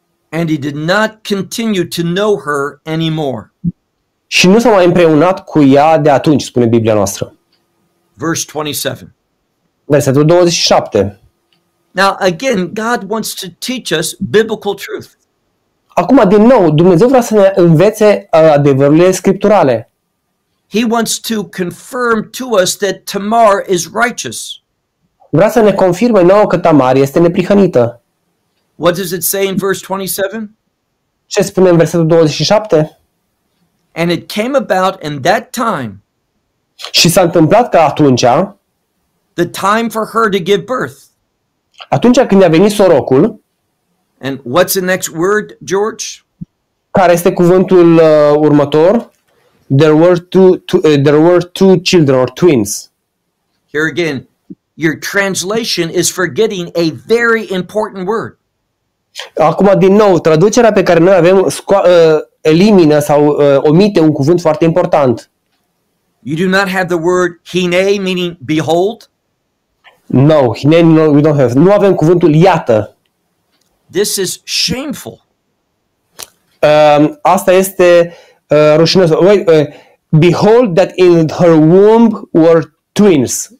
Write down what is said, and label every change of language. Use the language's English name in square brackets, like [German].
[English] And he did not continue to know her anymore. [Romanian] Și nu s-a mai împreunat cu ea de atunci, spune Biblia noastră. [English] Verse 27. [Romanian] Versetul 27. [English] Now again, God wants to teach us biblical truth. [Romanian] Acum din nou, Dumnezeu vrea să ne învețe adevărurile scripturale. [English] He wants to confirm to us that Tamar is righteous. [Romanian] Vrea să ne confirme nouă că Tamar este neprihănită. [English] What does it say in verse 27? [Romanian] Ce spune în versetul 27? [English] And it came about in that time. [Romanian] Și s-a întâmplat că atunci, [English] the time for her to give birth. [Romanian] Atunci când a venit sorocul. [English] And what's the next word, George? [Romanian] Care este cuvântul următor? [English] There were two children or twins. Here again, your translation is forgetting a very important word. [Romanian] Acum din nou, traducerea pe care noi avem elimină sau omite un cuvânt foarte important. [English] You do not have the word hine, meaning behold. No, hine, no, we don't have. [Romanian] Nu avem cuvântul iată. [English] This is shameful. [Romanian] Asta este rușinos. [English] Wait, behold that in her womb were twins.